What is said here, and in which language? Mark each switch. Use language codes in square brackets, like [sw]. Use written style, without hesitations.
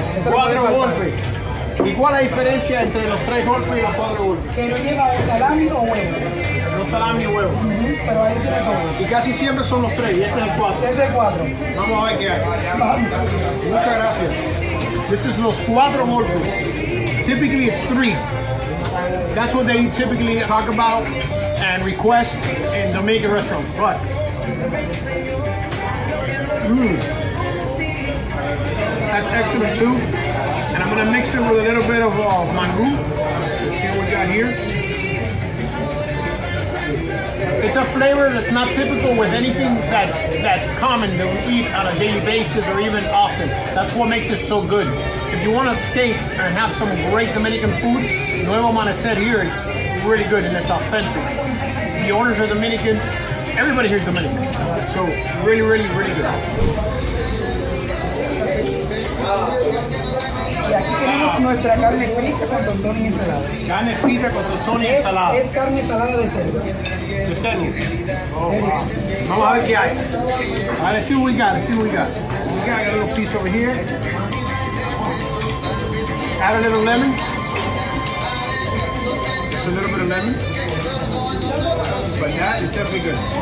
[es] Cuatro golpes. ¿Y cuál la diferencia entre los tres golpes y los cuatro golpes? Que no lleva salami o huevos. Los salami y huevos. Pero ahí y casi siempre son los tres, y este es el cuatro. Este es el cuatro. Vamos a ver qué hay. Muchas gracias. [en] This is [es] los cuatro golpes. [en] Typically it's three. That's what they typically talk about and request in Dominican restaurants. But that's excellent too. And I'm gonna mix it with a little bit of mango. Let's see what we got here. It's a flavor that's not typical with anything that's common that we eat on a daily basis or even often. That's what makes it so good. If you want to steak and have some great Dominican food, Nuevo Amanecer here is really good and it's authentic. The owners are Dominican. Everybody here is Dominican. So really, really, really good. [es] Nuestra carne frita con tostón y ensalada. Carne frita con tostón y ensalada. Es carne salada de cerdo. De cerdo. Oh, wow. Vamos a ver qué hay. [en] Right, let's see what we got. Let's see what we got. We got a little piece over here. Add a little lemon. Just a little bit of lemon. But Yeah, it's definitely good.